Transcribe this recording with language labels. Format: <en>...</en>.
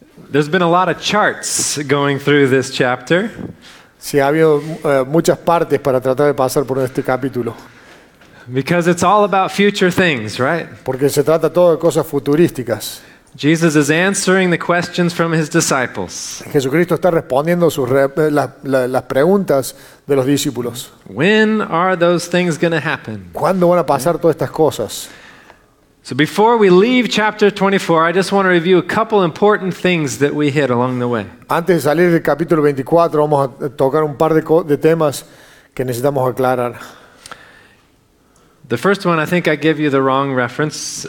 <en>There's been a lot of charts going through this chapter.</en> <es>Sí, ha habido muchas partes para tratar de pasar por este capítulo.</es> <en>Because it's all about future things, right?</en> <es>Porque se trata todo de cosas futurísticas.</es> <en>Jesus is answering the questions from his disciples.</en> <es>Jesucristo está respondiendo las preguntas de los discípulos.</es> <en>When are those things going to happen?</en> <es>¿Cuándo van a pasar todas estas cosas?</es> <en>So before we leave chapter 24, I just want to review a couple important things that we hit along the way.</en> <es>Antes de salir del capítulo 24, vamos a tocar un par de temas que necesitamos aclarar.</es> <en>The first one, I think I gave you the wrong reference.</en>